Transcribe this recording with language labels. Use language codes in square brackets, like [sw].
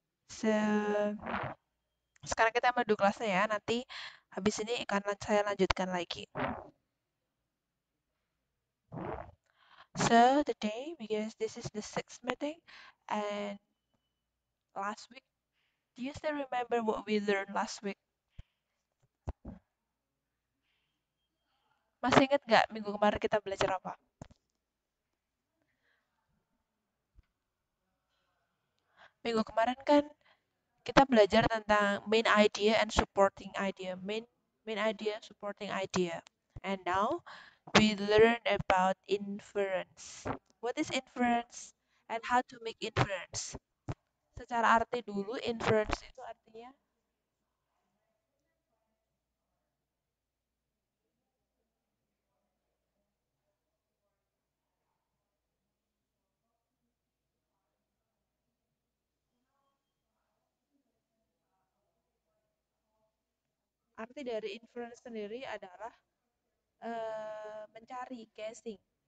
[id] So, sekarang kita mau duduk kelasnya ya. Nanti habis ini akan saya lanjutkan lagi. [en] So, today, because this is the sixth meeting, and last week, do you still remember what we learned last week? [id] Masih ingat nggak minggu kemarin kita belajar apa? Minggu kemarin kan kita belajar tentang [en] main idea and supporting idea, [id] main idea, supporting idea. [en] And now we learn about inference. What is inference and how to make inference? [id] Secara arti dulu, inference itu artinya arti dari inference sendiri adalah mencari guessing.